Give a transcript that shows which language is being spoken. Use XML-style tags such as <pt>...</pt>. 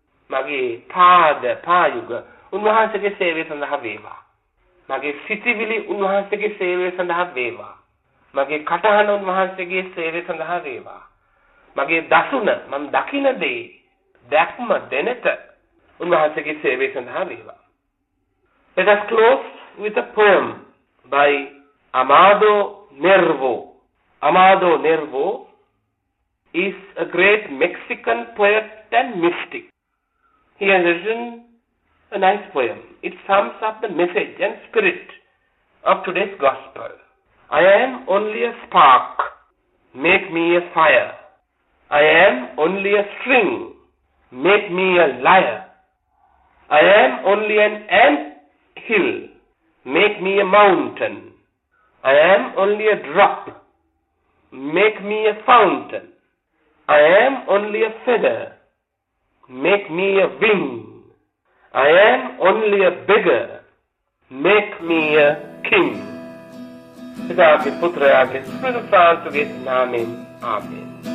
<si>මගේ පාද පායුග උන්වහන්සේගේ සේවය සඳහා වේවා. මගේ සිතිවිලි උන්වහන්සේගේ සේවය සඳහා වේවා. මගේ කටහඬ උන්වහන්සේගේ සේවය සඳහා වේවා. මගේ දසුන මම දකින දේ දැක්ම දෙනත උන්වහන්සේගේ සේවය සඳහා වේවා.</si> <en>Let us close with a poem by Amado Nervo. Amado Nervo is a great Mexican poet and mystic. He has written a nice poem. It sums up the message and spirit of today's gospel. I am only a spark, make me a fire. I am only a string, make me a lyre. I am only an ant hill, make me a mountain. I am only a drop, make me a fountain. I am only a feather, make me a wing. I am only a beggar, make me a king.</en> <si>පිතාගේ පුත්‍රයාගේ සුබ සාන්තුගේ නාමයෙන් ආමෙන්.</si>